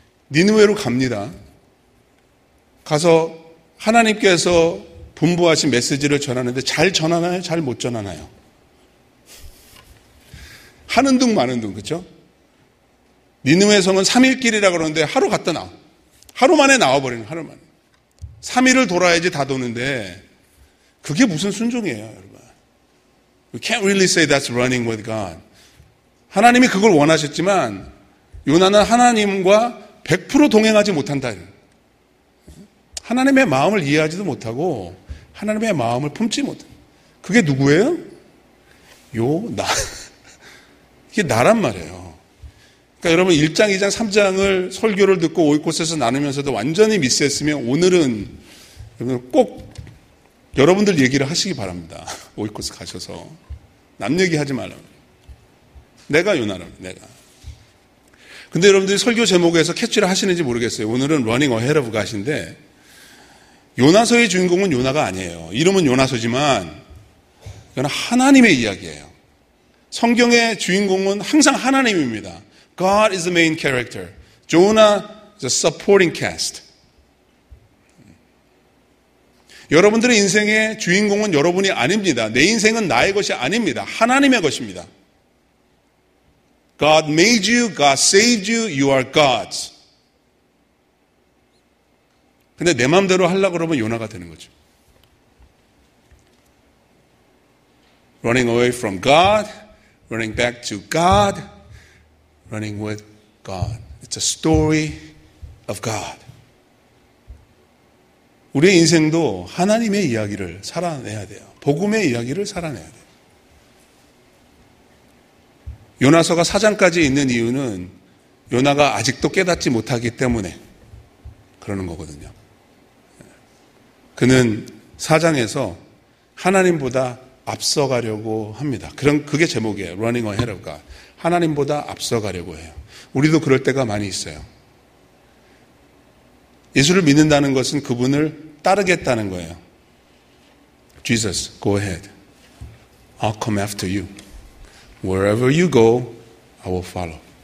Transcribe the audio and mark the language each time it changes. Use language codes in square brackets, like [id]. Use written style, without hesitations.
[ko] 니느웨로 갑니다. 가서 하나님께서 분부하신 메시지를 전하는데 잘 전하나요? 잘 못 전하나요? 하는 둥 마는 둥, 그죠? 니느웨 성은 3일길이라 그러는데 하루 갔다 나와. 하루 만에 나와버리는, 하루 만에. 3일을 돌아야지 다 도는데 그게 무슨 순종이에요, 여러분. [en] We can't really say that's running with God. [ko] 하나님이 그걸 원하셨지만 요나는 하나님과 100% 동행하지 못한다. 하나님의 마음을 이해하지도 못하고 하나님의 마음을 품지 못한. 그게 누구예요? 요나. 이게 나란 말이에요. 그러니까 여러분, 1장, 2장, 3장을 설교를 듣고 오이코스에서 나누면서도 완전히 미스했으면 오늘은 꼭 여러분들 얘기를 하시기 바랍니다. 오이코스 가셔서. 남 얘기하지 말라고. 내가 요나라고, 내가. 근데 여러분들이 설교 제목에서 캐치를 하시는지 모르겠어요. 오늘은 [en] running ahead of God [ko] 인데, 요나서의 주인공은 요나가 아니에요. 이름은 요나서지만 이건 하나님의 이야기예요. 성경의 주인공은 항상 하나님입니다. [en] God is the main character. Jonah is a supporting cast. [ko] 여러분들의 인생의 주인공은 여러분이 아닙니다. 내 인생은 나의 것이 아닙니다. 하나님의 것입니다. [en] God made you, God saved you, you are God's. [ko] 근데 내 마음대로 하려고 그러면 요나가 되는 거죠. [en] Running away from God, running back to God, running with God. It's a story of God. [ko] 우리의 인생도 하나님의 이야기를 살아내야 돼요. 복음의 이야기를 살아내야 돼요. 요나서가 4장까지 있는 이유는 요나가 아직도 깨닫지 못하기 때문에 그러는 거거든요. 그는 4장에서 하나님보다 앞서가려고 합니다. 그게 제목이에요. [en] Running ahead of God. [ko] 하나님보다 앞서가려고 해요. 우리도 그럴 때가 많이 있어요. 예수를 믿는다는 것은 그분을 따르겠다는 거예요. [en] Jesus, go ahead. I'll come after you. Wherever you go, I will follow.